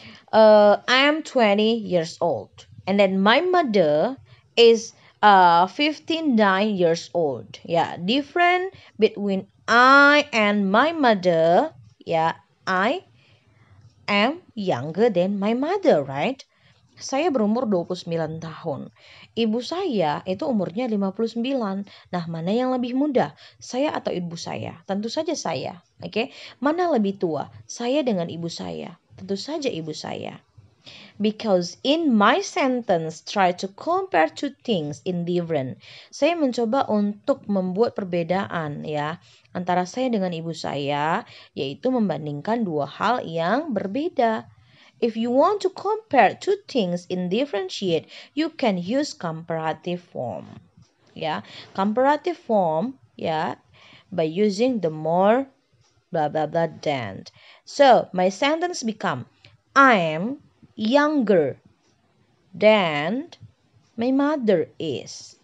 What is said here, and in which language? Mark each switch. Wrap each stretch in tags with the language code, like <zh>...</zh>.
<en>I am 20 years old, and then my mother is 59 years old. Yeah, different between I and my mother. Yeah, I am younger than my mother, right?</en> <id>Saya berumur 29 tahun. Ibu saya itu umurnya 59. Nah, mana yang lebih muda? Saya atau ibu saya? Tentu saja saya.</id> <en>Okay?</en> <id>Mana lebih tua? Saya dengan ibu saya.</id> <en>Tentu saja ibu saya. Because in my sentence, try to compare two things in different.</en> <id>Saya mencoba untuk membuat perbedaan ya antara saya dengan ibu saya, yaitu membandingkan dua hal yang berbeda.</id> <en>If you want to compare two things in differentiate, you can use comparative form. Yeah, comparative form, yeah, by using the more blah blah blah than. So, my sentence become, I am younger than my mother is.</en>